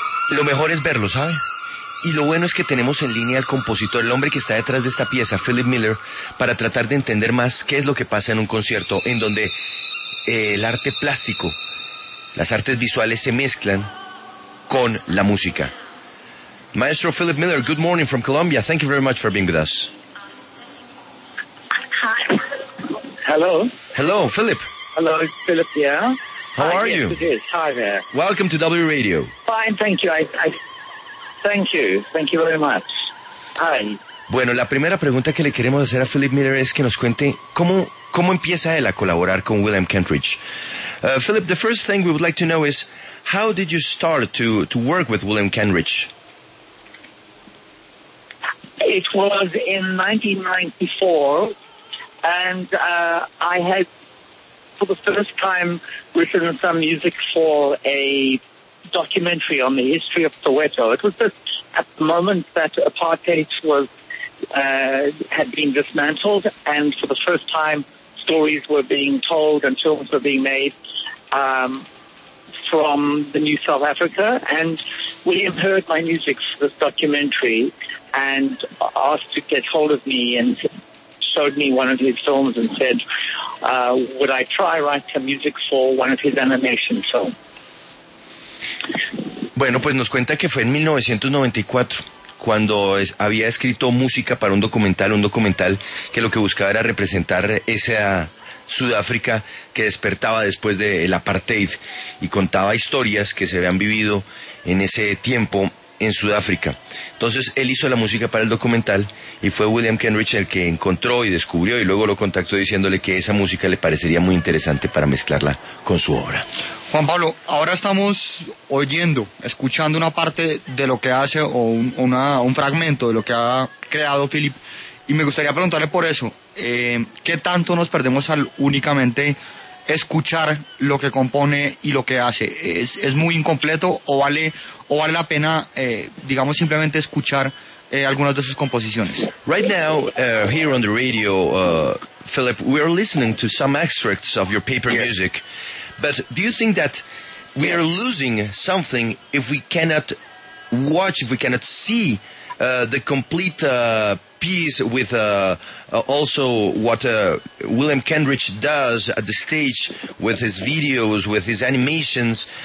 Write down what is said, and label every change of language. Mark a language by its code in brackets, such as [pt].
[es] Lo mejor es verlo, ¿sabe? Y lo bueno es que tenemos en línea al compositor, el hombre que está detrás de esta pieza, Philip Miller, para tratar de entender más qué es lo que pasa en un concierto en donde el arte plástico, las artes visuales se mezclan con la música. [en] Maestro Philip Miller, good morning from Colombia, thank you very much for being with us. Hello. Hello, Philip. Hello, Philip, yeah. How are you? Hi there. Welcome to W Radio. Fine, thank you. Thank you very much. Hi. [es] Bueno, la primera pregunta que le queremos hacer a Philip Miller es que nos cuente cómo empieza él a colaborar con William Kentridge. [en] Philip, the first thing we would like to know is, how did you start to work with William Kentridge? It was in 1994... And I had, for the first time, written some music for a documentary on the history of Soweto. It was just at the moment that apartheid had been dismantled, and for the first time, stories were being told and films were being made from the New South Africa, and William heard my music for this documentary and asked to get hold of me and showed me one of his films and said, would I try write some music for one of his animation films? [es] Bueno, pues nos cuenta que fue en 1994 cuando había escrito música para un documental que lo que buscaba era representar esa Sudáfrica que despertaba después del apartheid y contaba historias que se habían vivido en ese tiempo en Sudáfrica. Entonces él hizo la música para el documental y fue William Kenrich el que encontró y descubrió y luego lo contactó diciéndole que esa música le parecería muy interesante para mezclarla con su obra. Juan Pablo, ahora estamos oyendo, escuchando una parte de lo que hace o un fragmento de lo que ha creado Philip, y me gustaría preguntarle por eso. ¿Qué tanto nos perdemos al únicamente escuchar lo que compone y lo que hace? ¿Es muy incompleto o vale la pena, digamos, simplemente escuchar algunas de sus composiciones? [en] Right now, here on the radio, Philip, we are listening to some extracts of your paper music. But do you think that we are losing something if we cannot watch, if we cannot see the complete piece with also what William Kenrich does at the stage with his videos, with his animations?